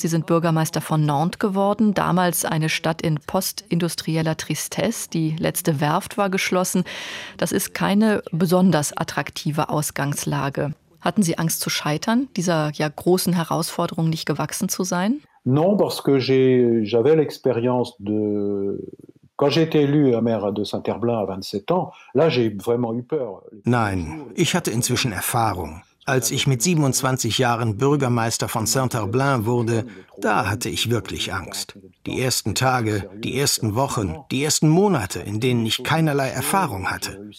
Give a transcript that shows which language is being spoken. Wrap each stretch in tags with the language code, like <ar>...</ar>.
<de>Sie sind Bürgermeister von Nantes geworden, damals eine Stadt in postindustrieller Tristesse. Die letzte Werft war geschlossen. Das ist keine besonders attraktive Ausgangslage. Hatten Sie Angst zu scheitern, dieser ja großen Herausforderung nicht gewachsen zu sein?</de> <fr>Non, parce que j'avais l'expérience de...</fr> <de>Nein, ich hatte inzwischen Erfahrung. Als ich mit 27 Jahren Bürgermeister von Saint-Herblain wurde, da hatte ich wirklich Angst. Die ersten Tage, die ersten Wochen, die ersten Monate, in denen ich keinerlei Erfahrung hatte.</de>